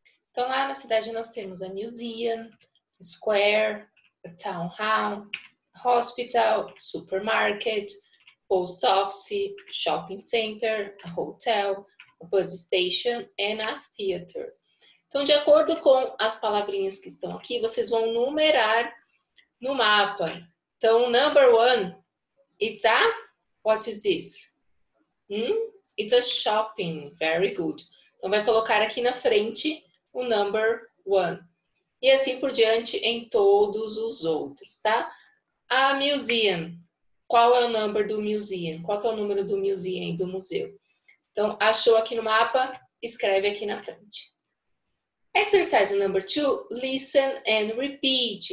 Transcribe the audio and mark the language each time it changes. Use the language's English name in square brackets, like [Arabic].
[English] Então, lá na cidade nós temos a museum, a square, a town hall, hospital, supermarket, post office, shopping center, a hotel, a bus station and a theater. [Portuguese] Então, de acordo com as palavrinhas que estão aqui, vocês vão numerar no mapa. [English] Então, number one, it's a, what is this? It's a shopping, very good. [Portuguese] Então, vai colocar aqui na frente o [English] number one. [Portuguese] E assim por diante em todos os outros, tá? A museum. Qual é o número do museum? Qual que é o número do museum, do museu? Então, achou aqui no mapa? Escreve aqui na frente. [English] Exercise number two, listen and repeat.